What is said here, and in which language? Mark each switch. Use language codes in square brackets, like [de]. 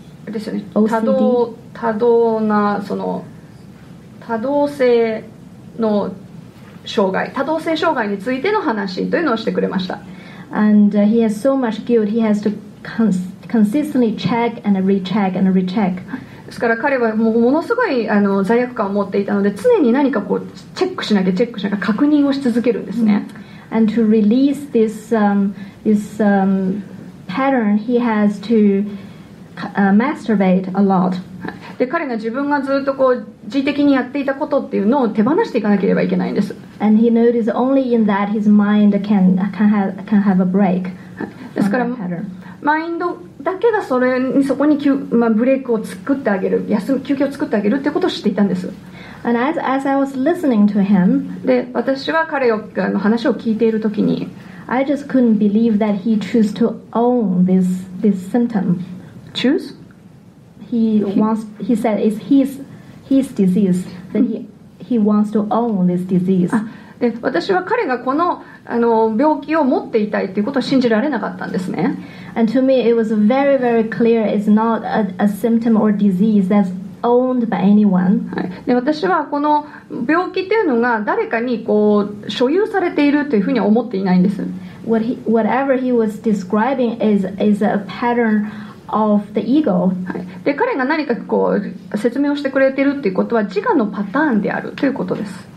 [ja] ですよね多動なその多動性の障害多動性障害についての話というのをしてくれました [en] And he has so much guilt he has to consistently check and recheck and recheck [ja] ですから彼はもうものすごい罪悪感を持っていたので常に何かこうチェックしなきゃ確認をし続けるんですね。 [en] And to release this pattern, he has to masturbate a lot. [ja] で彼が自分がずっとこう自的にやっていたことっていうのを手放していかなければいけないんです。 [en] And he noticed only in that his mind can have a break from that pattern. [ja] ですからマインドだけがそれにそこに、まあ、ブレイクを作ってあげる、休み休憩を作ってあげるってことを知っていたんです。 [en] And as I was listening to him, [ja] で私は彼の話を聞いているときに、 [en] I just couldn't believe that he chose to own this symptom. Choose? He said it's his disease. Then he wants to own this disease. [ja] で私は彼がこの、あの、病気を持っていたいということを信じられなかったんですね。 [en] And to me, it was very, very clear. It's not a symptom or disease that's owned by anyone. [ja] で私はこの病気というのが誰かにこう所有されているというふうに思っていないんです。 [en] Whatever he was describing is a pattern of the ego. [ja] で彼が何かこう説明をしてくれているということは自我のパターンであるということです。